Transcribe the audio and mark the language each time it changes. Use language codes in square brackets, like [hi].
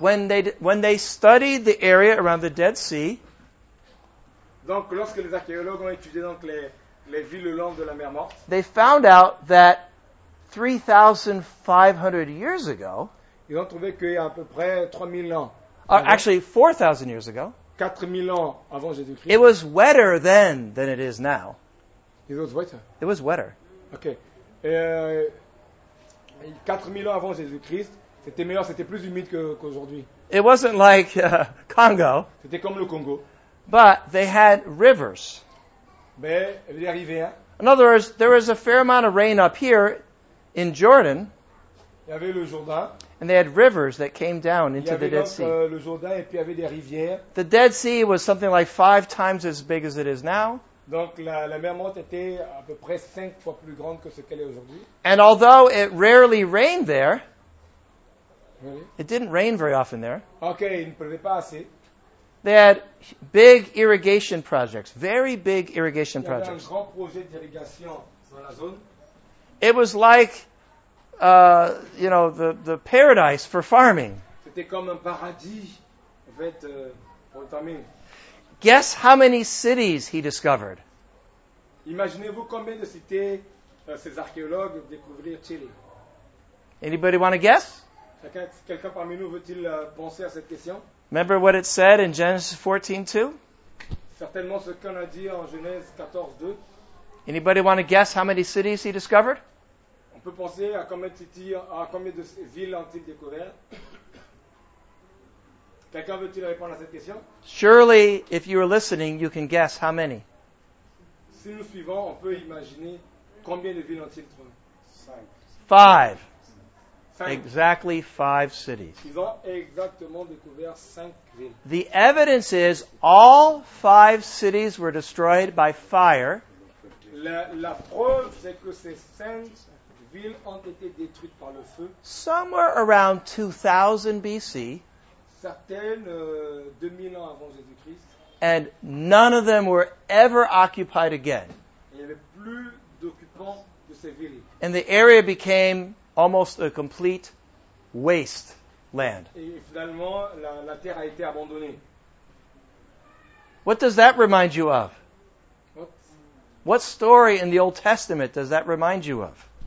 [en] When they studied the area around the Dead Sea. [fr] Donc, lorsque les archéologues ont étudié donc les villes le long de la mer morte. [en] They found out that 3,500 years ago. [fr] Ils ont trouvé qu'il y a à peu près 3000 ans. [en] Actually, 4,000 years ago. [fr] 4000 ans avant Jésus-Christ. [en] It was wetter then than it is now. It was wetter. It was wetter. Okay. [fr] 4000 ans avant Jésus-Christ, c'était meilleur, c'était plus humide qu'aujourd'hui. [en] It wasn't like Congo. [fr] C'était comme le Congo. [en] But they had rivers. [fr] Mais il y avait des rivières. [en] In other words, there was a fair amount of rain up here. In Jordan, [fr] il y avait le Jourdain, [en] and they had rivers that came down into the Dead Sea. [fr] Le Jourdain, et puis il y avait des rivières. [en] The Dead Sea was something like five times as big as it is now. [fr] Donc la mer morte était à peu près cinq fois plus grande que ce qu'elle est aujourd'hui. [en] And although it rarely rained there, really? It didn't rain very often there. [fr] Okay, il ne pleuvait pas assez. [en] They had big irrigation projects, very big irrigation projects. [fr] Il y avait un grand projet d'irrigation dans la zone. [en] It was like, you know, the paradise for farming. [fr] C'était comme un paradis, en fait, pour le farming. [en] Guess how many cities he discovered. [fr] Imaginez-vous combien de cités ces archéologues découvrir Chili? [en] Anybody want to guess? [fr] Quelqu'un parmi nous veut-il penser à cette question? [en] Remember what it said in Genesis 14:2? [fr] Certainement ce qu'on a dit en Genèse 14:2. [en] Anybody want to guess how many cities he discovered? [fr] On peut penser à combien de villes ont-ils découvert? Quelqu'un veut-il répondre à cette question? [en] Surely, if you are listening, you can guess how many. [fr] Si nous suivons, on peut imaginer combien de villes ont-ils trouvé? [en] Five. Exactly five cities. [fr] Ils ont exactement découvert cinq villes. [en] The evidence is all five cities were destroyed by fire. [fr] La preuve, c'est que ces cinq villes ont été détruites par le feu. [en] Somewhere around 2000 BC. [fr] Certaines 2000 ans avant Jésus-Christ. [en] And none of them were ever occupied again. [fr] Il n'y avait plus d'occupants de ces villes. [en] And the area became almost a complete waste land. [fr] Et finalement, la terre a été abandonnée. [en] What does that remind you of? What story in the Old Testament does that remind you of?